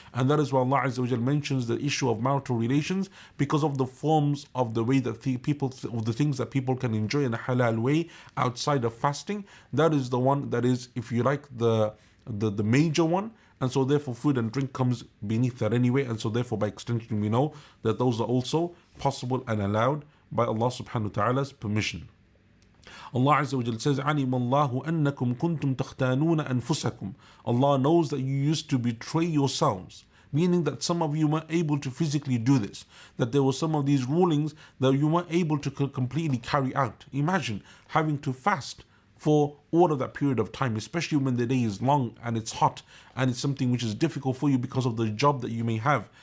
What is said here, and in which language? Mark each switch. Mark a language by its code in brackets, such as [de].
[en] And that is why Allah Azza wa Jalla mentions the issue of marital relations, because of the forms of the way that the things that people can enjoy in a halal way outside of fasting. That is the one that is, if you like, the major one. And so therefore food and drink comes beneath that anyway. And so therefore by extension we know that those are also possible and allowed by Allah subhanahu wa ta'ala's permission. Allah Azza wa Jal says, [ar] عَلِمَ اللَّهُ أَنَّكُمْ كُنْتُمْ تَخْتَانُونَ أَنفُسَكُمْ. [en] Allah knows that you used to betray yourselves. Meaning that some of you weren't able to physically do this. That there were some of these rulings that you weren't able to completely carry out. Imagine having to fast for all of that period of time, especially when the day is long and it's hot and it's something which is difficult for you because of the job that you may have.